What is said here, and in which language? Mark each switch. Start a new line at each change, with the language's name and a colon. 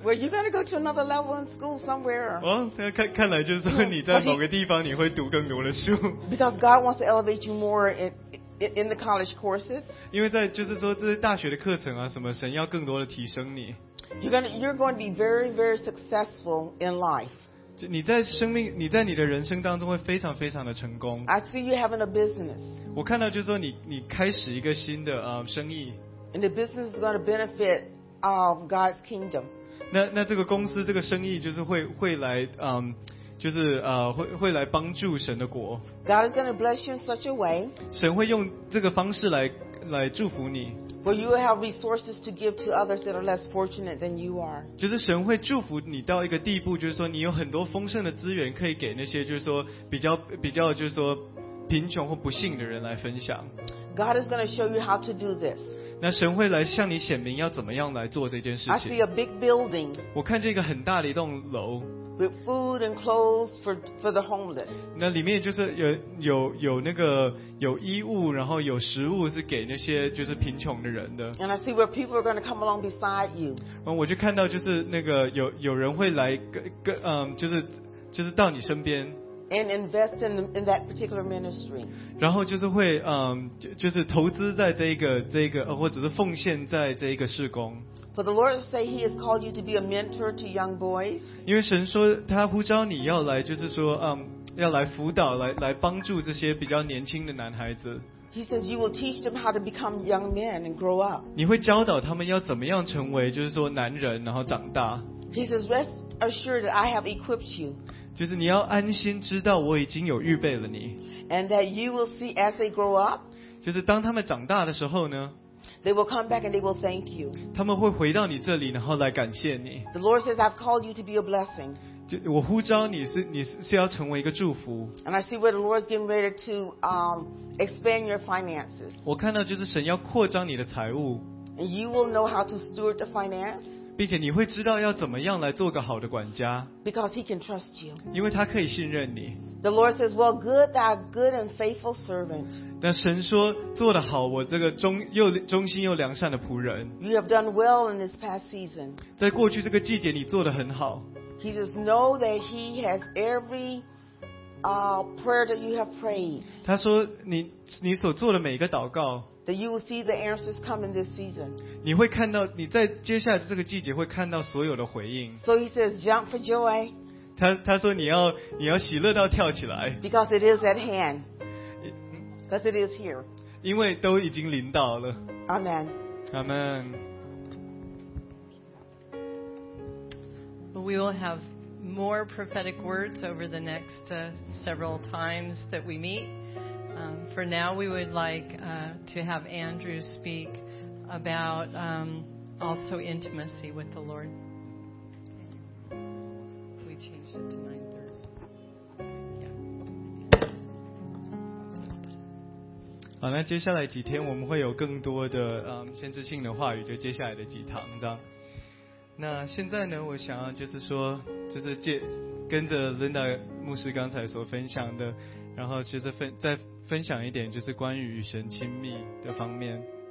English: Well, you're going to go to another level in school somewhere.
Chinese: 看来就是说你在某个地方你会读更多的书。
English: Because God wants to elevate you more in the college courses.
Chinese: 因为在就是说这些大学的课程啊什么，神要更多的提升你。
English: You're going to be very, very successful in life.
Chinese: 你在生命，你在你的人生当中会非常非常的成功。
English: I see you having a business.
Chinese: 我看到就是说你开始一个新的生意。
English: And the business is going to benefit of God's kingdom.
Chinese: 那这个公司这个生意就是会来就是会来帮助神的国。
English: God is going to bless you in such a way.
Chinese: 神会用这个方式来祝福你。
English: Well, you will have resources to give to others that are less fortunate than you are.
Chinese: 就是神会祝福你到一个地步，就是说你有很多丰盛的资源可以给那些就是说比较就是说贫穷或不幸的人来分享。
English: God is going to show you how to do this.
Chinese: 那神会来向你显明要怎么样来做这件事情。
English: I see a big building.
Chinese: 我看见一个很大的一栋楼。
English: With food and clothes for the homeless.
Chinese: 那里面就是有那个有衣物，然后有食物是给那些就是贫穷的人的。
English: And I see where people are going to come along beside you.
Chinese: 我就看到就是那个有人会来就是到你身边。
English: And invest in that particular ministry.
Chinese: 然后就是会就是投资在这个或者是奉献在这个事工。
English: For the Lord say He has called you to be a mentor to young boys.
Chinese: 因为神说他呼召你要来，就是说，要来辅导，来帮助这些比较年轻的男孩子。
English: He says you will teach them how to become young men and grow up.
Chinese: 你会教导他们要怎么样成为，就是说男人，然后长大。
English: He says rest assured that I have equipped you.
Chinese: 就是你要安心知道我已经有预备了你。
English: And that you will see as they grow up.
Chinese: 就是当他们长大的时候呢。
English: They will come back and they will thank you.
Chinese: 他们会回到你这里，然后来感谢你。
English: The Lord says, "I've called you to be a blessing."
Chinese: 就我呼召你是要成为一个祝福。
English: And I see where the Lord is getting ready to expand your finances.
Chinese: 我看到就是神要扩张你的财务。
English: And you will know how to steward the finance.
Chinese: 并且你会知道要怎么样来做个好的管家。
English: Because he can trust you.
Chinese: 因为他可以信任你。
English: The Lord says, "Well, good, thou good and faithful servant."
Chinese: 但神说做得好，我这个忠心又良善的仆人。
English: You have done well in this past season.
Chinese: 在过去这个季节，你做得很好。
English: He says, "Know that he has every prayer that you have prayed."
Chinese: 他说你所做的每一个祷告。
English: That you will see the answers come in this season.
Chinese: 你会看到你在接下来这个季节会看到所有的回应。
English: So he says, jump for joy.
Chinese: 他说你要喜乐到跳起来。
English: Because it is at hand. Because it is here.
Chinese: 因为都已经临到了。
English: Amen. Amen. We will have more prophetic words over the next several times that we meet. For now, we would like to have Andrew speak about also intimacy with the Lord. We changed it to 9:30.
Chinese: Yeah. 好，那接下来几天我们会有更多的先知性的话语，就接下来的几堂这样。那现在呢，我想要就是说，就是跟着 Linda 牧师刚才所分享的，然后就是分享一点就是关于与神亲密的方面。